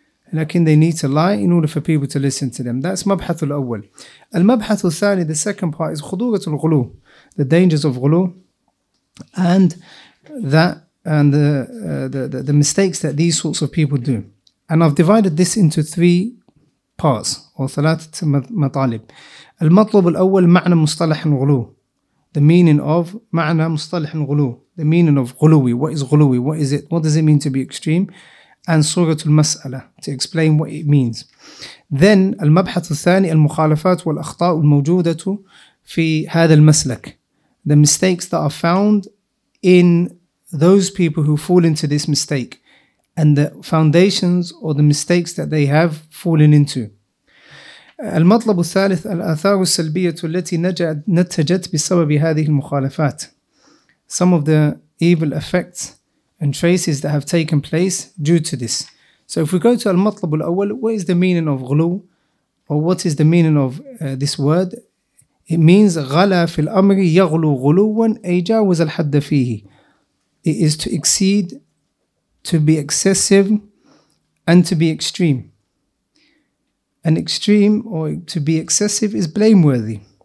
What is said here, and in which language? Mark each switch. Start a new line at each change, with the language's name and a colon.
English: Lakin they need to lie in order for people to listen to them. That's
Arabic: mabhath al-awwal. Al-mabhath al-thani,
English: the second part, is
Arabic: khudurat al-ghulu,
English: the dangers of ghulu, and the mistakes that these sorts of people do. And I've divided this into three parts, or
Arabic: ثلاثة مطالب. المطلب الأول معنى مصطلح الغلو.
English: The meaning of
Arabic: معنى مصطلح الغلو.
English: The meaning of غلوي. What is غلوي? What is it? What does it mean to be extreme? And
Arabic: سورة المسألة
English: to explain what it means.
Arabic: Then المبحث الثاني المخالفات والأخطاء الموجودة في هذا المسلك.
English: The mistakes that are found in those people who fall into this mistake. And the foundations or the mistakes that they have fallen into.
Arabic: المطلب الثالث الآثار السلبية التي نتجت بسبب هذه المخالفات.
English: Some of the evil effects and traces that have taken place due to this. So if we go to
Arabic: المطلب الأول,
English: what is the meaning of غلو? Or what is the meaning of this word?
Arabic: It means غلا في الأمر يغلو غلوا أي جاوز الحد فيه.
English: It is to exceed, to be excessive and to be extreme. An extreme or to be excessive is blameworthy.